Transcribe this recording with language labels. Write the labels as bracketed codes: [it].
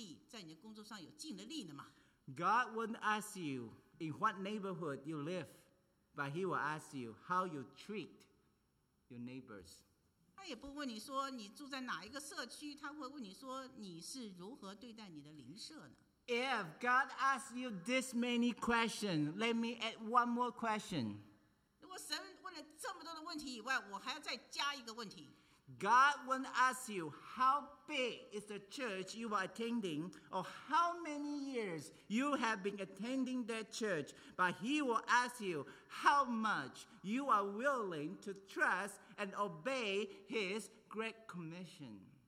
[zh] 他不问你说你的在工作的场所，你的职位有多高，但是他会问你说你有尽力在你的工作上有尽的力了吗？ [en] God won't ask you in what neighborhood you live, but He will ask you how you treat your neighbors. [zh] 他也不问你说你住在哪一个社区，他会问你说你是如何对待你的邻舍呢？ [en] If God asks you this many questions, let me add one more question. [zh] 如果神问了这么多的问题以外，我还要再加一个问题。 [en] God won't ask you how big is the church you are attending or how many years you have been attending that church, but He will ask you how much you are willing to trust and obey His great commission.